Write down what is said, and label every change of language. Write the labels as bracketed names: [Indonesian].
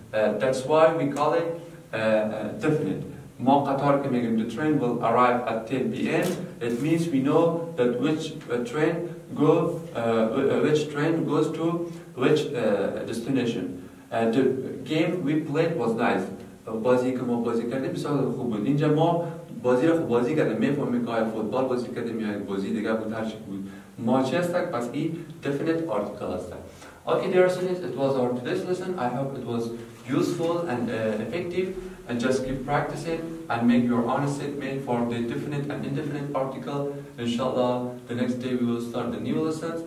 [English] That's why we call it definite. The train will arrive at 10 p.m. It means we know that which train go, which train goes to which destination. The game we played was nice. [Persian] بازی که ما بازی کردیم بسیار خوب بود. اینجا ما بازی رو خوب بازی کردیم. میفهمیم که آیا فوتبال بازی کردیم یا بازی دیگه بود هر چی بود. ما چی هستک؟ پس این definite article هستن. [English] Okay, dear students, it was our today's lesson. I hope it was useful and effective. And just keep practicing and make your own statement for the definite and indefinite article. Inshallah, the next day we will start the new lessons.